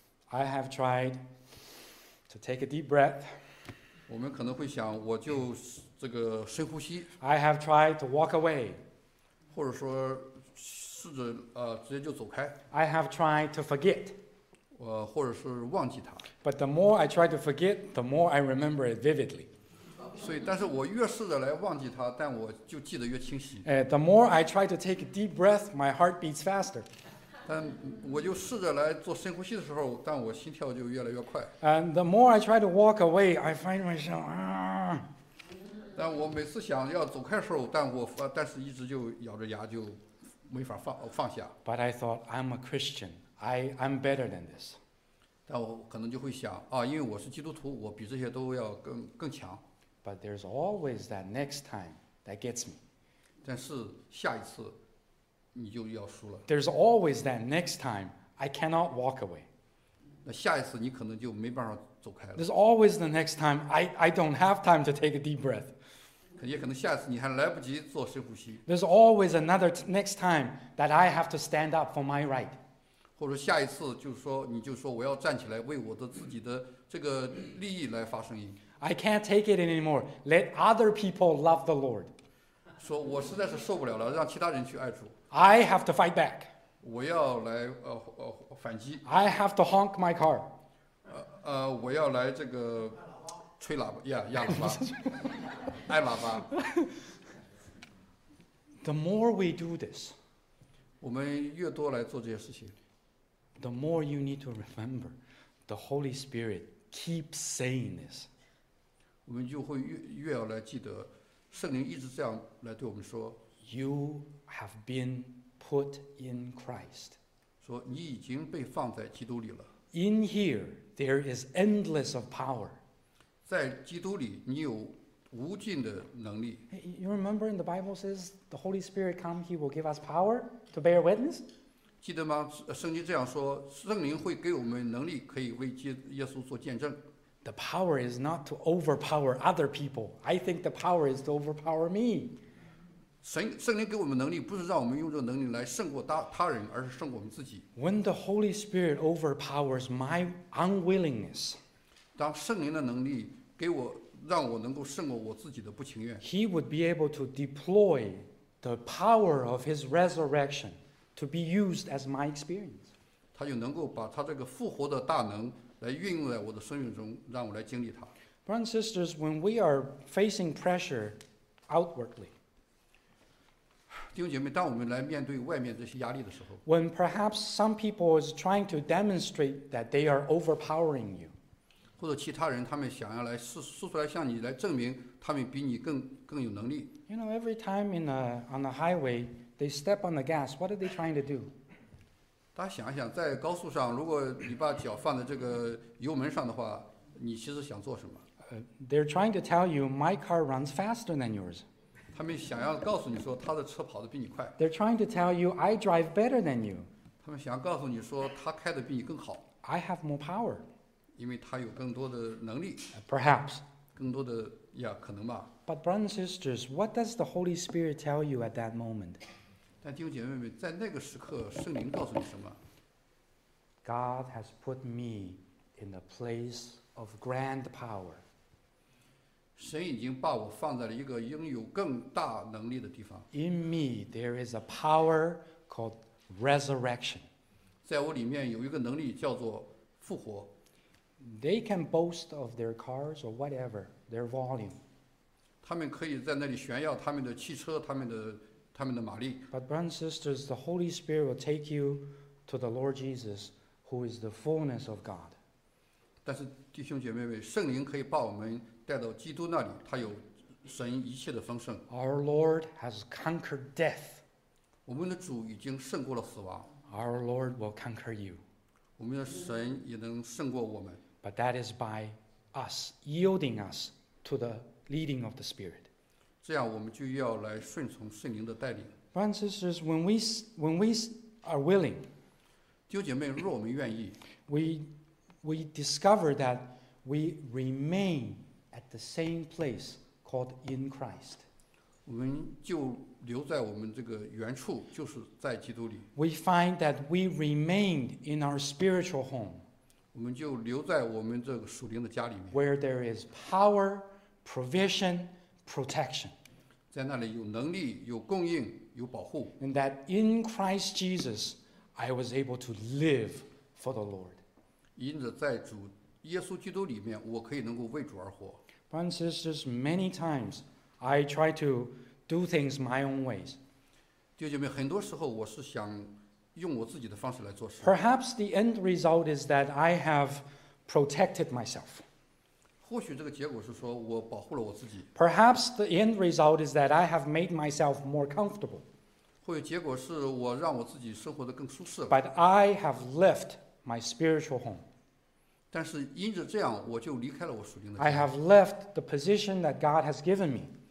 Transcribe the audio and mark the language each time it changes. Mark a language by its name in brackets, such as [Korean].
[English] ？I have tried to take a deep breath. [Chinese] 我们可能会想，我就这个深呼吸。 [English] I have tried to walk away. [Chinese] 或者说试着直接就走开。 [English] I have tried to forget. [Chinese] 或者是忘记它。 [English] But the more I try to forget, the more I remember it vividly. [Chinese] 所以，但是我越试着来忘记它，但我就记得越清晰。 [English] The more I try to take a deep breath, my heart beats faster. [Chinese] 但我就试着来做深呼吸的时候，但我心跳就越来越快。 [English] And the more I try to walk away, I find myself. [Chinese] 但我每次想要走开的时候，但是一直就咬着牙就没法放下。 [English] But I thought I'm a Christian. I'm better than this. [Chinese] 但我可能就会想啊，因为我是基督徒，我比这些都要更强。 [English] But there's always that next time that gets me. [Chinese] 但是下一次你就要输了。 [English] There's always that next time I cannot walk away. [Chinese] 那下一次你可能就没办法走开了。 [English] There's always the next time I don't have time to take a deep breath. [Chinese] 也可能下一次你还来不及做深呼吸。 [English] There's always another next time that I have to stand up for my right. [Chinese] 或者下一次就是说你就说我要站起来为我的自己的这个利益来发声音。 [English] I can't take it anymore. Let other people love the Lord. [Chinese] 说我实在是受不了了，让其他人去爱主。 [English] I have to fight back. [Chinese] 我要来反击。 [English] I have to honk my car. [Chinese] 我要来这个吹喇叭，压喇叭，爱喇叭。 [English] The more we do this, [Chinese] 我们越多来做这些事情。 [English] The more you need to remember, the Holy Spirit keeps saying this. [Chinese] 我们就会 越要来记得，圣灵一直这样来对我们说。 [English] You have been put in Christ. [Chinese] 说你已经被放在基督里了。 [English] In here, there is endless of power. [Chinese] 在基督里，你有无尽的能力。 [English] You remember in the Bible says the Holy Spirit come, He will give us power to bear witness. [Chinese] 记得吗？圣经这样说，圣灵会给我们能力，可以为耶稣做见证。 [English] The power is not to overpower other people. I think the power is to overpower me. [Chinese] 圣灵给我们能力，不是让我们用这个能力来胜过他人，而是胜过我们自己。 [English] When the Holy Spirit overpowers my unwillingness, [Chinese] 当圣灵的能力给我，让我能够胜过我自己的不情愿。 [English] He would be able to deploy the power of His resurrection. To be used as my experience. [Chinese] 他就能够把他这个复活的大能来运用在我的生命中，让我来经历他。 [English] Brothers and sisters, when we are facing pressure outwardly, [Chinese] 弟兄姐妹，当我们来面对外面这些压力的时候 [English] ，when perhaps some people is trying to demonstrate that they are overpowering you, [Chinese] 或者其他人他们想要来说出来向你来证明他们比你更有能力。 [English] You know, every time on the highway. They step on the gas. What are they trying to do? [Chinese] 大家想一想，在高速上，如果你把脚放在这个油门上的话，你其实想做什么？ [English] They're trying to tell you my car runs faster than yours. [Chinese] 他们想要告诉你说他的车跑得比你快。 [English] They're trying to tell you I drive better than you. [Chinese] 他们想要告诉你说他开得比你更好。 [English] I have more power. [Chinese] 因为他有更多的能力。 [English] Perhaps. [Chinese] 更多的呀，可能吧。 [English] But brothers and sisters, what does the Holy Spirit tell you at that moment? [Chinese] 但弟兄姐妹们，在那个时刻，圣灵告诉你什么？ [English] God has put me in a place of grand power. [Chinese] 神已经把我放在了一个拥有更大能力的地方。 [English] In me, there is a power called resurrection. [Chinese] 在我里面有一个能力叫做复活。 [English] They can boast of their cars or whatever, their volume. [Chinese] 他们可以在那里炫耀他们的汽车，他们的马力。 [English] But brothers and sisters, the Holy Spirit will take you to the Lord Jesus, who is the fullness of God. [Chinese] 但是弟兄姐妹们，圣灵可以把我们带到基督那里，他有神一切的丰盛。 [English] Our Lord has conquered death. [Chinese] 我们的主已经胜过了死亡。 [English] Our Lord will conquer you. [Chinese] 我们的神也能胜过我们。 [English] But that is by us yielding us to the leading of the Spirit. [Chinese] 这样我们就要来顺从圣灵的带领。 [English] Brothers and sisters, when we are willing, [Chinese] 弟兄姐妹，若我们愿意， [English] we discover that we remain at the same place called in Christ. [Chinese] 我们就留在我们这个原处，就是在基督里。 [English] We find that we remained in our spiritual home. [Chinese] 我们就留在我们这个属灵的家里面。 [English] Where there is power. Provision, protection. [Chinese] 在那里有能力，有供应，有保护。 [English] And that in Christ Jesus, I was able to live for the Lord. [Chinese] 因着在主耶稣基督里面，我可以能够为主而活。 [English] Brothers and sisters, many times I try to do things my own ways. [Chinese] 弟兄姐妹，很多时候我是想用我自己的方式来做事。 [English] Perhaps the end result is that I have protected myself. [Chinese] 或许这个结果是说我保护了我自己。 [English] Perhaps the end result is that I have made myself more comfortable. [Chinese] 或许结果是我让我自己生活得更舒适了。 [English] But I have left my spiritual home. [Chinese] 但是因着这样，我就离开了我属灵的。 [English] I have left the position that God has given me.